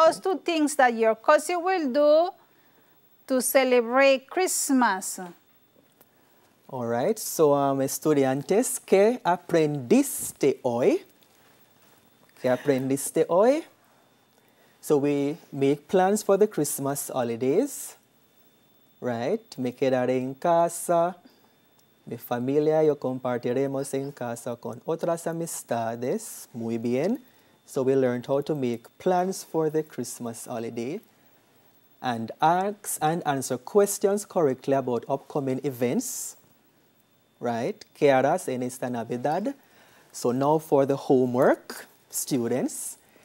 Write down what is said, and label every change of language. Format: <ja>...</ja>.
<en>us two things that your cousin will do to celebrate Christmas. All right. So,</en> <es>estudiantes, ¿qué aprendiste hoy? ¿Qué aprendiste hoy?</es> <en>So we make plans for the Christmas holidays.</en> <es>Right, me quedaré en casa, mi familia, yo compartiremos en casa con otras amistades. Muy bien.</es> <en>So we learned how to make plans for the Christmas holiday and ask and answer questions correctly about upcoming events. Right,</en> <es>¿qué harás en esta Navidad?</es> <en>So now for the homework, students.</en>